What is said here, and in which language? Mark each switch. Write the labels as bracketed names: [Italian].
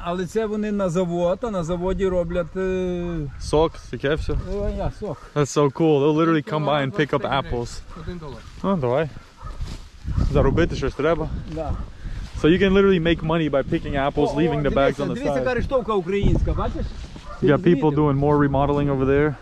[Ukrainian] Але це вони на завод, а на заводі роблять... Сок, таке все? Сок. [English] That's so cool. They'll literally come by and pick up apples. $1. [Ukrainian] Ну, давай. Заробити щось треба. Да. [English] So you can literally make money by picking apples, leaving the bags on the side. [Ukrainian] Дивіться, арештовка українська, бачиш? [English] You got people doing more remodeling over there?